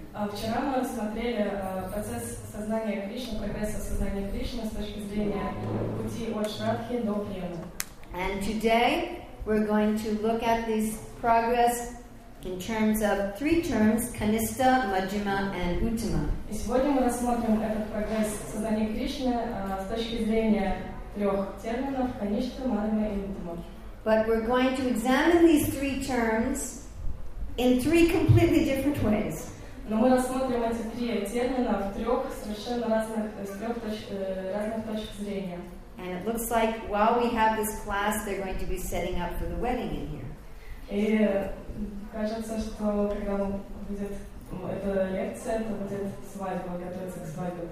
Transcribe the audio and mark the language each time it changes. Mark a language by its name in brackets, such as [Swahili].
[Russian] Вчера мы рассмотрели процесс сознания Кришны, прогресса сознания Кришны с точки зрения пути от Шраддхи до Премы. [English] And today we're going to look at this progress in terms of three terms, Kanista, Majjhima, and Uttama. [Russian] И сегодня мы рассмотрим этот прогресс сознания Кришны с точки зрения трех терминов, Каништа, Маджима и Уттама. [English] But we're going to examine these three terms in three completely different ways. [Russian] Но мы рассмотрим эти три термина в трех совершенно разных, с трех разных точек зрения. [English] And it looks like while we have this class, they're going to be setting up for the wedding in here. [Russian] И кажется, что когда будет эта лекция, то будет свадьба, готовится к свадьбе.